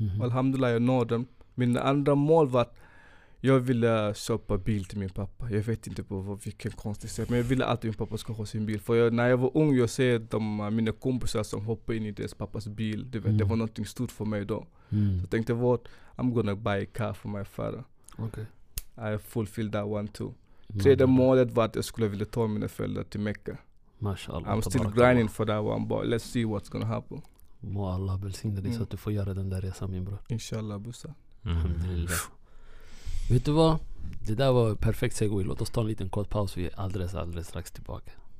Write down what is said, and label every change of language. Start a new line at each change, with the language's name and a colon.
Swedish: Alhamdulillah, jag nådde dem. Min andra mål var att jag ville köpa bil till min pappa. Jag vet inte på vilken konstig sätt. Men jag ville alltid att min pappa ska ha sin bil. För jag, när jag var ung, jag såg mina kompisar som hoppade in i deras pappas bil. Du vet, det var något stort för mig då. Så jag tänkte, what?
English: I'm gonna buy a car for my father. Okay. I fulfilled that one too.
Swedish: Tredje målet var att jag skulle vilja ta mina föräldrar till Mecca. Mashallah.
English: I'm still grinding for that one, but let's see what's gonna happen.
Swedish: Må Allah välsigna dig så att du får göra den där resan, min bror. Inshallah, Bussa. Vet du vad? Det där var perfekt segway. Låt oss ta en liten kort paus. Vi är alldeles, alldeles strax tillbaka.